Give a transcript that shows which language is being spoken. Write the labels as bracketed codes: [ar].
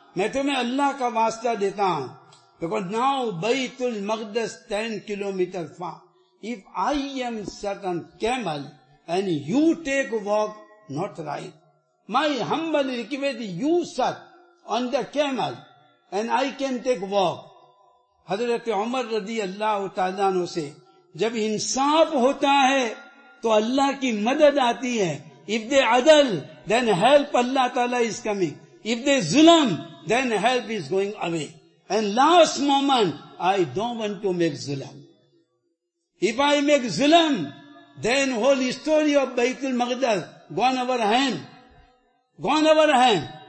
[ur] Main tumhe Allah ka vasta deta hun. [en] Because now Baitul Maqdas 10 kilometers far. If I am certain camel and you take walk, not right. My humble request is you sat on the camel and I can take walk. [ur] Hazrat Umar رضی اللہ تعالیٰ عنہ سے جب انصاف ہوتا ہے تو اللہ کی مدد آتی ہے. [en] If they عدل, then help Allah Ta'ala is coming. If they ظلم, then help is going away. And last moment, I don't want to make ظلم. If I make ظلم, then whole history of Baitul Maqdis gone our hand. Gone our hand.